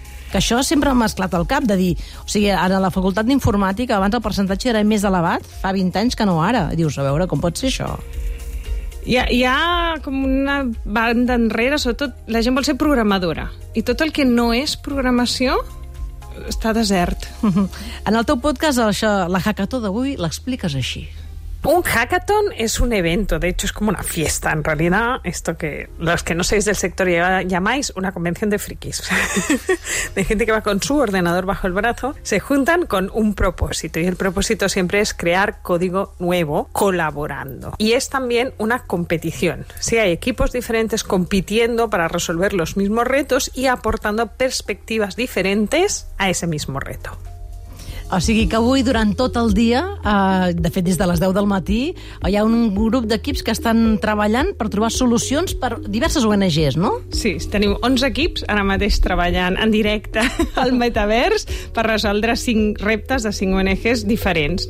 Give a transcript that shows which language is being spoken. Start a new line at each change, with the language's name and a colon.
Catalan: Que això sempre m'ha esclat al cap, de dir, o sigui, ara la Facultat d'Informàtica, abans el percentatge era més elevat, fa 20 anys que no ara. Dius, a veure, com pot ser això? Hi ha com una banda enrere, sobretot la gent vol ser programadora, i tot el que no és programació està desert. En el teu podcast, això, la hackató d'avui, l'expliques així.
Spanish: Un hackathon és un evento, de hecho es como una fiesta en realidad, esto que los que no sois del sector llamáis una convención de frikis, de gente que va con su ordenador bajo el brazo, se juntan con un propósito y el propósito siempre es crear código nuevo colaborando. Y es también una competición, si hay equipos diferentes compitiendo para resolver los mismos retos y aportando perspectivas diferentes a ese mismo reto.
Catalan: O sigui que avui, durant tot el dia, de fet des de les 10 del matí, hi ha un grup d'equips que estan treballant per trobar solucions per diverses ONGs, no? Sí, tenim 11 equips ara mateix treballant en directe al Metavers per resoldre 5 reptes de 5 ONGs diferents.